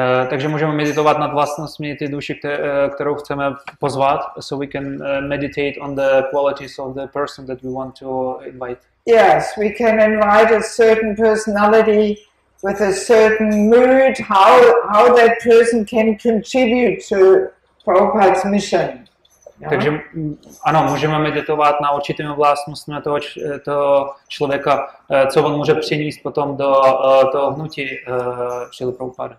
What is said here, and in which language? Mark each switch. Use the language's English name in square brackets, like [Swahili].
[Czech] Takže můžeme meditovat nad vlastnostmi ty duše, kterou chceme pozvat. [English] So we can meditate on the qualities of the person that we want to invite. Yes, we can invite a certain personality with a certain mood, how that person can contribute to Prabhupada's mission. [Czech] Takže ano, můžeme meditovat na určitým vlastnostmi toho člověka, co on může přinést potom do toho hnutí Šrily Prabhupády.